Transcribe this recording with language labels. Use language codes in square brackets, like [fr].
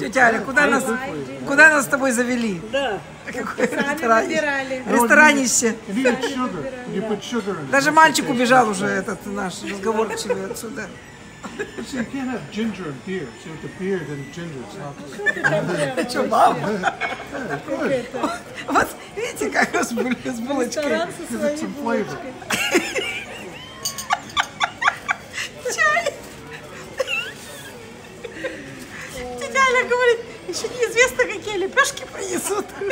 [ru] Тетяля, куда нас с тобой завели? Да. Какой ресторан? Ресторанище. [en] Put sugar. [ru] Даже мальчик убежал уже этот наш разговорчивый отсюда. [en] So you can't have ginger and beer. So with the beer, then ginger is not good. [ru] Что, мама? Вот видите, как с булочкой. Ресторан со своей булочкой. Чай. Тетя Аля говорит, еще неизвестно, какие мне лепешки принесут.